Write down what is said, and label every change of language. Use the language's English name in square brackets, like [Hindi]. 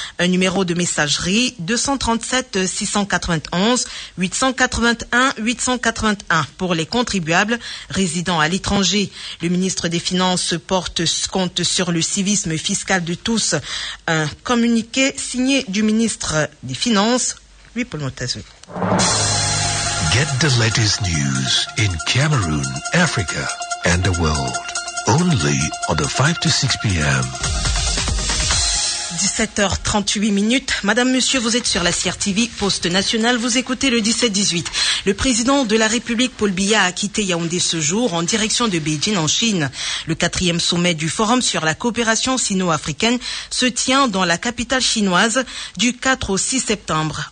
[French] Un numéro de messagerie, 237-691-881-881, pour les contribuables résidant à l'étranger. Le ministre des Finances compte sur le civisme fiscal de tous. Un communiqué signé du ministre des Finances, [English] Get the latest news in Cameroon, Africa, and the world only on the 5 to 6 p.m. [French] 17h38 minutes. Madame, monsieur, vous êtes sur la CIR TV, poste national. Vous écoutez le 17-18. Le président de la République, Paul Biya, a quitté Yaoundé ce jour en direction de Beijing en Chine. Le 4e sommet du Forum sur la coopération sino-africaine se tient dans la capitale chinoise du 4 au 6 septembre.